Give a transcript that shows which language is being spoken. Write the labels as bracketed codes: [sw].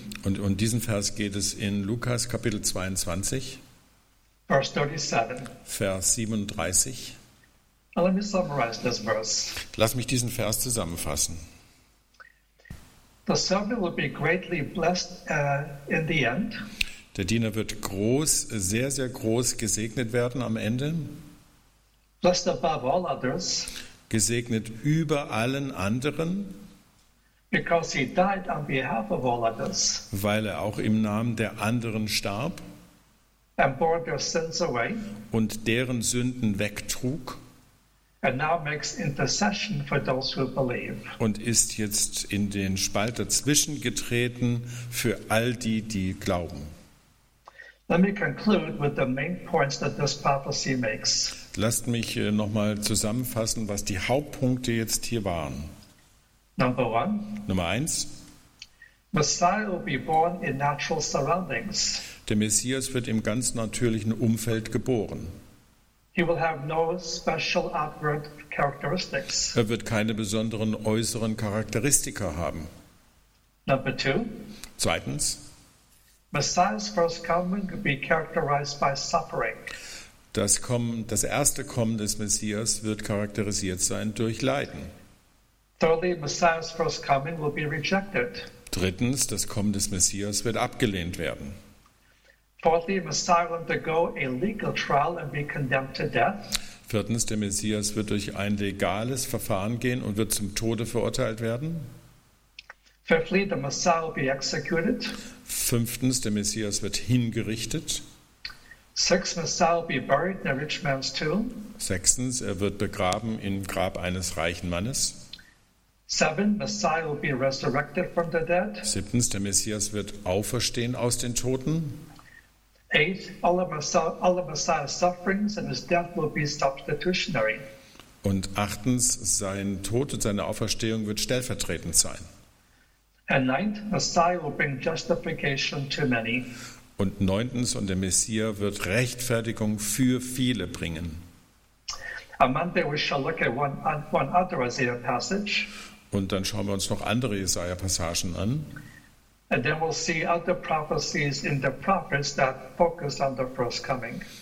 [de] Und diesen Vers geht es in Lukas Kapitel 22. [en] Verse 37. [de] Vers 37. [en] Now let me summarize this verse. [de] Lass mich diesen Vers zusammenfassen. [en] The servant will be greatly blessed in the end. [de] Der Diener wird groß, sehr, sehr groß gesegnet werden am Ende. [en] Blessed above all others. [de] Gesegnet über allen anderen. [en] Because he died on behalf of all others. [de] Weil er auch im Namen der anderen starb. [en] And bore their sins away. [de] Und deren Sünden wegtrug. [en] And now makes intercession for those who believe. [de] Und ist jetzt in den Spalt dazwischen getreten für all die, die glauben. [en] Let me conclude with the main points that this prophecy makes. [de] Lasst mich nochmal zusammenfassen, was die Hauptpunkte jetzt hier waren. [en] Number one. [de] Nummer eins. [en] Messiah will be born in natural surroundings. [de] Der Messias wird im ganz natürlichen Umfeld geboren. [en] He will have no special outward characteristics. [de] Er wird keine besonderen äußeren Charakteristika haben. [en] Number two. [de] Zweitens. [en] Messiah's first coming will be characterized by suffering. [de] Das erste Kommen des Messias wird charakterisiert sein durch Leiden. [en] Thirdly, Messiah's first coming will be rejected. [de] Drittens, das Kommen des Messias wird abgelehnt werden. [en] Fourthly, Messiah will undergo a legal trial and be condemned to death. [de] Viertens, der Messias wird durch ein legales Verfahren gehen und wird zum Tode verurteilt werden. [en] Fifthly, the Messiah will be executed. [de] Fünftens, der Messias wird hingerichtet. [en] Sixth, Messiah will be buried in a rich man's tomb. [de] Sechstens, er wird begraben im Grab eines reichen Mannes. [en] Seven, Messiah will be resurrected from the dead. [de] Siebtens, der Messias wird auferstehen aus den Toten. [en] Eighth, all of Messiah's sufferings and his death will be substitutionary. [de] Und achtens, sein Tod und seine Auferstehung wird stellvertretend sein. [en] And ninth, Messiah will bring justification to many. [de] Und neuntens, und der Messias wird Rechtfertigung für viele bringen. [en] On Monday we shall look at one other Isaiah passage. [de] Und dann schauen wir uns noch andere Jesaja-Passagen an. [en] And then we'll see other prophecies in the prophets that focus on the first coming.